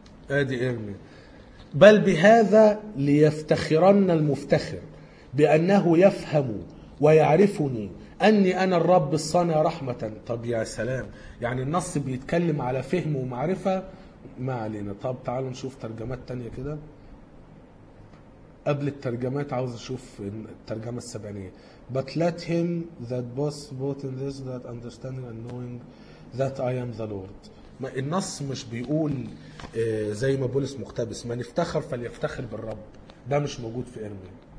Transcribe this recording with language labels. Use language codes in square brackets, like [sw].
[ar] ادي إرميا، بل بهذا ليفتخرن المفتخر بأنه يفهم ويعرفني أني أنا الرب الصانع رحمة. طب يا سلام، يعني النص بيتكلم على فهم ومعرفة، ما علينا. طب تعالوا نشوف ترجمات تانية كده. قبل الترجمات عاوز أشوف الترجمة السبعينية. [en] But let him that boasts both in this that understanding and knowing that I am the Lord. [ar] ما النص مش بيقول زي ما بولس مقتبس من افتخر فليفتخر بالرب، ده مش موجود في إرميا.